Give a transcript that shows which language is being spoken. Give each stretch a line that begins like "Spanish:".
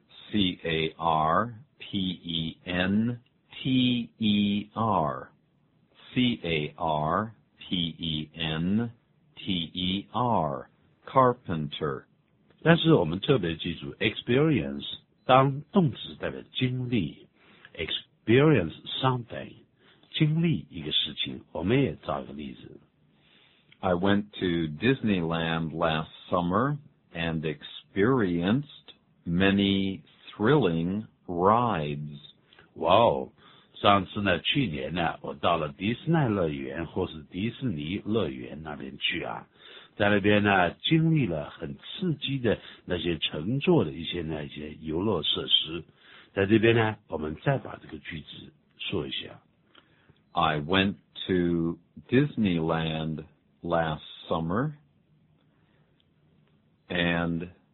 English: C-A-R,P-E-N-T-E-R C-A-R-P-E-N-T-E-R Carpenter
Chinese: 但是我们特别记住 experience 当动词代表经历
English: experience something
Chinese: 经历一个事情我们也找个例子
English: I went to Disneyland last summer and experienced many thrilling rides.
Chinese: Wow, 上次呢去年呢我到了迪士尼乐园或是迪士尼乐园那边去啊在那边呢经历了很刺激的那些乘坐的一些那些游乐设施。在这边呢我们再把这个句子说一下。
English: I went to Disneyland last summer and...